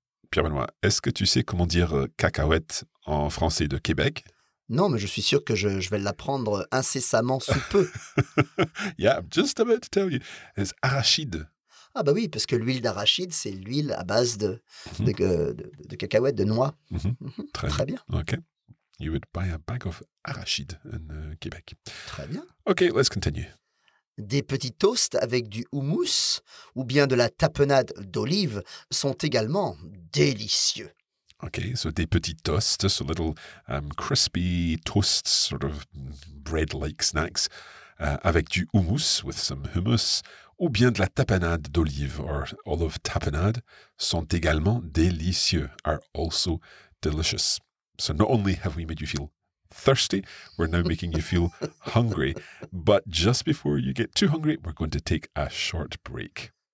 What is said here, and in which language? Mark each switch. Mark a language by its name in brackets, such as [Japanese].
[French] Pierre-Benoît, est-ce que tu sais comment dire cacahuète en français de Québec? Non, mais je suis sûr que je vais l'apprendre incessamment sous peu. [English] Yeah, I'm just about to tell you. It's arachide. [French] Ah bah oui, parce que l'huile d'arachide, c'est l'huile à base de cacahuètes, de noix. Mm-hmm. Très bien. OK. [English] You would buy a bag of arachide in Québec. [French] Très bien. [English] OK, let's continue. [French] Des petits toasts avec du houmous ou bien de la tapenade d'olive sont également délicieux. [English] Okay, so [French] des petits toasts, [English] so little crispy toasts, sort of bread-like snacks, [French] avec du hummus, [English] with some hummus, [French] ou bien de la tapenade d'olive, [English] or olive tapenade, [French] sont également délicieux, [English] are also delicious. So not only have we made you feel thirsty, we're now making you feel hungry, but just before you get too hungry, we're going to take a short break.